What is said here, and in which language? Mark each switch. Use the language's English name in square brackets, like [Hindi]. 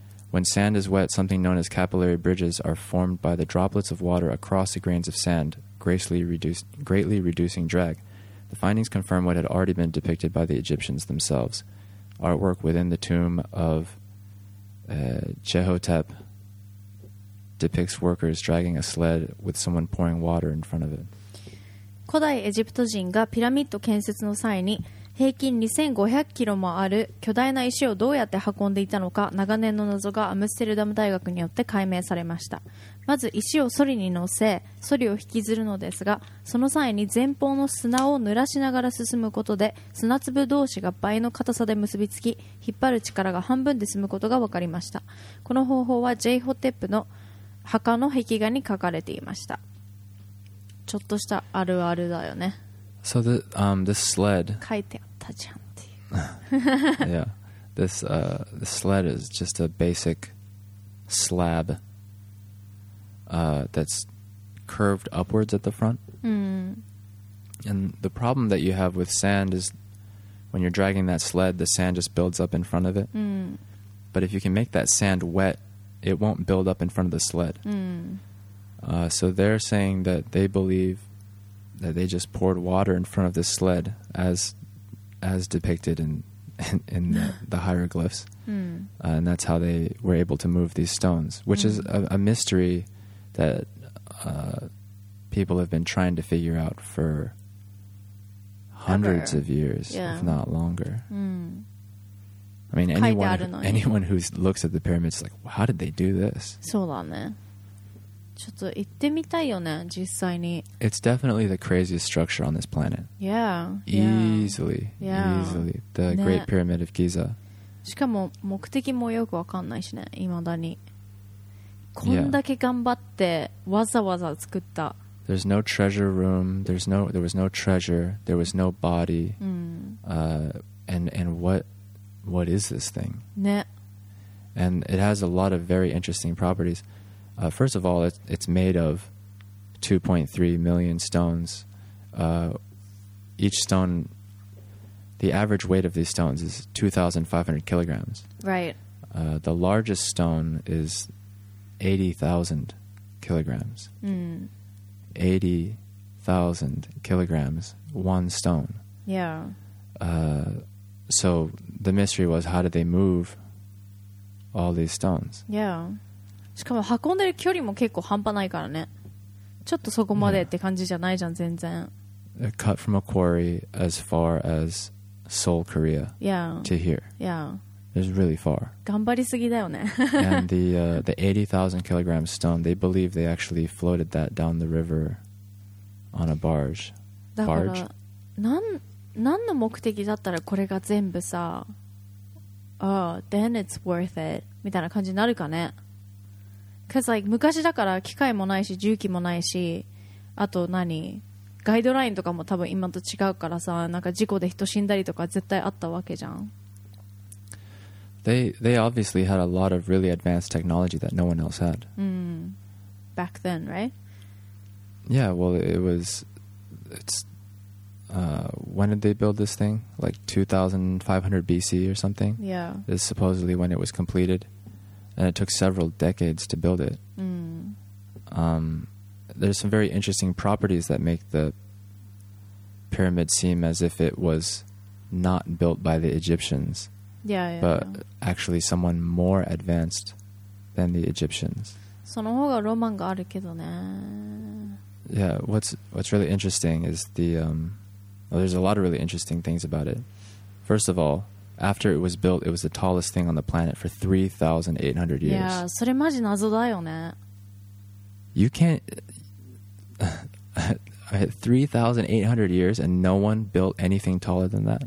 [English] When sand is wet, something known as capillary bridges are formed by the droplets of water across the grains of sand, greatly reducing drag. The findings confirm what had already been depicted by the Egyptians themselves. Artwork within the tomb ofChehotep depicts workers dragging a sled with someone pouring water in front of it. [Japanese] 古代エジプト人がピラミッド建設の際に平均2500キロもある巨大な石をどうやって運んでいたのか、長年の謎がアムステルダム大学によって解明されました。まず石をソリに乗せ、ソリを引きずるのですが、その際に前方の砂を濡らしながら進むことで砂粒同士が倍の硬さで結びつき、引っ張る力が半分で済むことが分かりました。この方法はジェイホテップの墓の壁画に書かれていました。ちょっとしたあるあるだよね。 [English] So the this sled. [Japanese] 書いてあったじゃんっていう。 [English] Yeah, this the sled is just a basic slab that's curved upwards at the front. And the problem that you have with sand is when you're dragging that sled, the sand just builds up in front of it. But if you can make that sand wet, it won't build up in front of the sled. So they're saying that they believe. That they just poured water in front of this sled, as depicted in the hieroglyphs, and that's how they were able to move these stones, which is a mystery that people have been trying to figure out for hundreds of years, if not longer. I mean, anyone who looks at the pyramids, like, how did they do this? [Japanese] そうだね。ちょっと行ってみたいよね、実際に。 [English] It's definitely the craziest structure on this planet. Yeah. Easily. Yeah. Easily. The Great Pyramid of Giza. [Japanese] しかも目的もよくわかんないしね、いまだに。こんだけ頑張ってわざわざ作った。 [English] There's no treasure room. There was no treasure. There was no body. And what is this thing? [Japanese] ね。 [English] And it has a lot of very interesting properties. First of all, it's made of 2.3 million stones. Each stone, the average weight of these stones is 2,500 kilograms. Right. The largest stone is 80,000 kilograms. Mm. 80,000 kilograms, one stone. Yeah. So the mystery was, how did they move all these stones? Yeah. [Japanese] しかも運んでる距離も結構半端ないからね。ちょっとそこまでって感じじゃないじゃん、全然。 [English] They're cut from a quarry as far as Seoul, Korea. Yeah. To here. Yeah. It's really far. [Japanese] 頑張りすぎだよね。 [English] And the 80,000 kilogram stone, they believe they actually floated that down the river on a barge. [Japanese] だから、barge? 何の目的だったらこれが全部さ、 [English] oh, then it's worth it [Japanese] みたいな感じになるかね。 [English] Cause like [Japanese] 昔だから機械もないし重機もないし、あと何ガイドラインとかも多分今と違うからさ、なんか事故で人死んだりとか絶対あったわけじゃん。 [English] They obviously had a lot of really advanced technology that no one else had. Mm. Back then, right? Yeah. Well, it was. It's. When did they build this thing? Like 2,500 BC or something? Yeah. This is supposedly when it was completed. And it took several decades to build it. Mm. There's some very interesting properties that make the pyramid seem as if it was not built by the Egyptians. Yeah, yeah. But actually someone more advanced than the Egyptians. [Japanese] その方がロマンがあるけどね。 [English] Yeah, what's really interesting is the... Well, there's a lot of really interesting things about it. First of all, after it was built, it was the tallest thing on the planet for 3,800 years. [Japanese] Yeah, それマジ謎だよね。 [English] You can't... 3,800 years and no one built anything taller than that?